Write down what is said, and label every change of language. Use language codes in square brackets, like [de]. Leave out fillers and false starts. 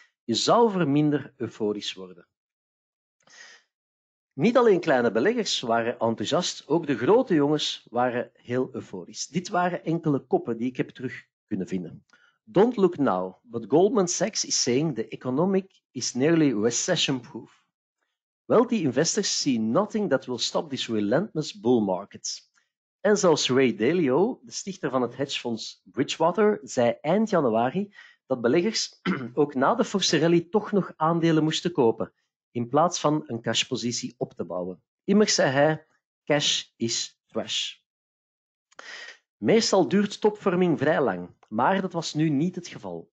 [nl] Je zou voor minder euforisch worden. Niet alleen kleine beleggers waren enthousiast, ook de grote jongens waren heel euforisch. Dit waren enkele koppen die ik heb terug kunnen vinden. [en] Don't look now, but Goldman Sachs is saying the economy is nearly recession-proof. Wealthy investors see nothing that will stop this relentless bull market. [nl] En zelfs Ray Dalio, de stichter van het hedgefonds Bridgewater, zei eind januari dat beleggers ook na de forse rally toch nog aandelen moesten kopen, in plaats van een cashpositie op te bouwen. Immers zei hij, [en] cash is trash. [nl] Meestal duurt topvorming vrij lang, maar dat was nu niet het geval.